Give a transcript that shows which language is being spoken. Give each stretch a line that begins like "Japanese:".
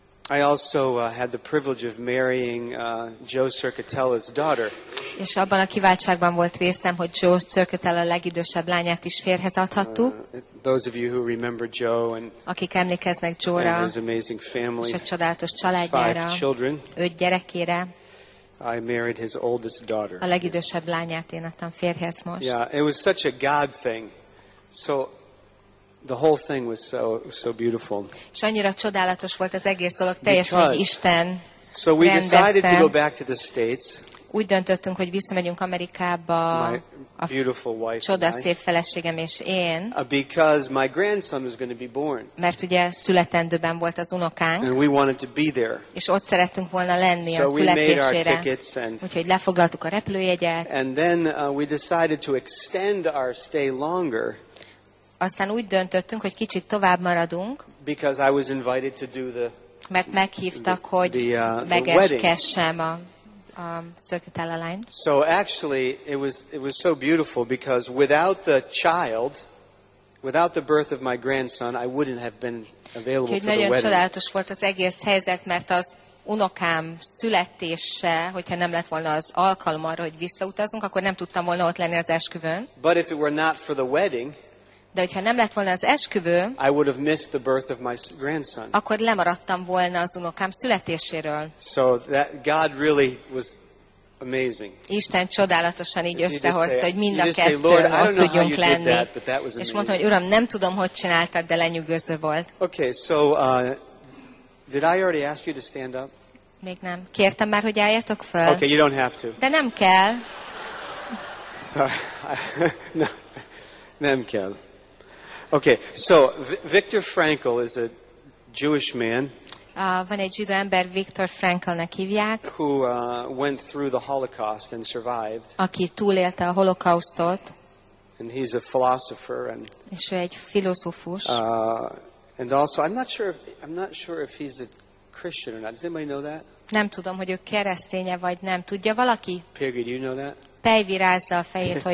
English: I also had the privilege of marrying Joe Circatella's daughter.
Hungarian: És abban a kiváltságban volt részem, hogy Joe Circatella legidősebb lányát is férhez adhattuk.
English: Those of you who remember Joe and
Hungarian: akik emlékeznek Joe-ra,
English: and his amazing family,
Hungarian: és a csodálatos családjára,
English: five children,
Hungarian: öt gyerekére.
English: I married his oldest daughter.
Hungarian: A legidősebb lányát én adtam férhez most.
English: Yeah, it was such a God thing. So the whole thing was so beautiful.
Hungarian: És annyira csodálatos volt az egész dolog, teljesen Isten.
English: So we decided to go back to the States.
Hungarian: Úgy döntöttünk, hogy visszamegyünk Amerikába.
English: My beautiful wife.
Hungarian: Csodaszép feleségem és én.
English: Because my grandson was going to be born.
Hungarian: Mert ugye születendőben volt az unokánk.
English: And we wanted to be there.
Hungarian: És ott szerettünk volna lenni a születésére. Úgyhogy lefoglaltuk a repülőjegyet.
English: And then we decided to extend our stay longer.
Hungarian: Aztán úgy döntöttünk, hogy kicsit tovább maradunk.
English: Because I was invited to do the
Hungarian: mert meghívtak, hogy megeskessem a Szörkötella lányt.
English: So actually it was so beautiful because without the child, without the birth of my grandson, I wouldn't have been available for the wedding.
Hungarian: Nagyon csodálatos volt az egész helyzet, mert az unokám születése, hogyha nem lett volna az alkalom arra, hogy visszautazunk, akkor nem tudtam volna ott lenni az esküvőn.
English: But if it were not for the wedding,
Hungarian: de hogyha nem lett volna az esküvő,
English: I would have missed the birth of my grandson.
Hungarian: Akkor lemaradtam volna az unokám születéséről.
English: So that God really was amazing.
Hungarian: Isten csodálatosan így összehozta, hogy mind a kettőn ott tudjunk lenni. És mondtam, hogy Uram, nem tudom, hogy csináltad, de lenyűgöző volt.
English: Okay, so did I already ask you to stand up?
Hungarian: Még nem. Kértem már, hogy álljatok föl.
English: Okay, you don't have to.
Hungarian: De nem kell.
English: Sorry. No.
Hungarian: Nem kell.
English: Okay, so Viktor Frankl is a Jewish man.
Hungarian: Van egy zsidó ember, Viktor Frankl-nak hívják.
English: Who went through the Holocaust and survived.
Hungarian: Aki túlélte a holokausztot.
English: And he's a philosopher and.
Hungarian: És ő egy filozófus.
English: And also, I'm not sure if he's a Christian or not. Does anybody know that?
Hungarian: Nem tudom, hogy ő keresztény-e vagy nem. Tudja valaki?
English: Piggy, do you know that?
Hungarian: Pejvi rázza a fejét, hogy